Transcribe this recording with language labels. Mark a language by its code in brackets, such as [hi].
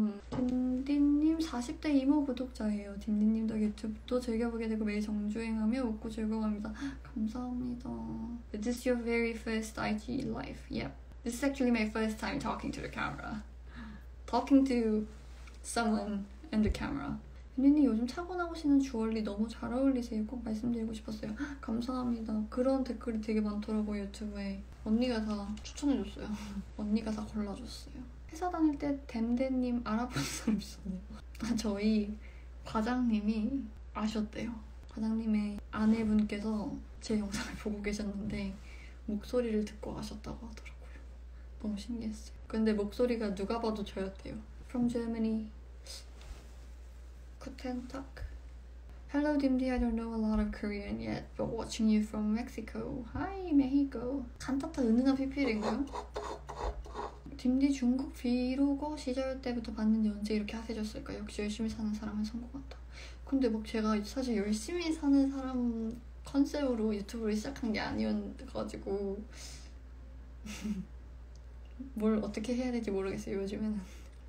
[ko] 딘딘님 40대 이모 구독자예요. 딘딘님 덕에 유튜브도 즐겨보게 되고 매일 정주행하며 웃고 즐거워합니다. 감사합니다. [en] Is this your very first IG live? Yep. This is actually my first time talking to the camera. Talking to someone and the camera. [ko] 딘딘님 요즘 차고 나오시는 주얼리 너무 잘 어울리세요. 꼭 말씀드리고 싶었어요. 감사합니다. 그런 댓글이 되게 많더라고요, 유튜브에. 언니가 다 추천해줬어요. 언니가 다 골라줬어요. 회사 다닐 때 댐댐님 알아본 사람 있었네요. 저희 과장님이 아셨대요. 과장님의 아내분께서 제 영상을 보고 계셨는데 목소리를 듣고 아셨다고 하더라고요. 너무 신기했어요. 근데 목소리가 누가 봐도 저였대요. [en] From Germany. [de] Guten Tag. [en] Hello, Dimdi. I don't know a lot of Korean yet, but watching you from Mexico. Hi, Mexico. [ko] 칸타타 은은한 PPL인가요? 딤디 중국 브이로거 시절 때부터 봤는데 언제 이렇게 핫해졌을까? 역시 열심히 사는 사람은 성공한다. 근데 막 제가 사실 열심히 사는 사람 컨셉으로 유튜브를 시작한 게 아니어가지고 뭘 어떻게 해야 될지 모르겠어요 요즘에는.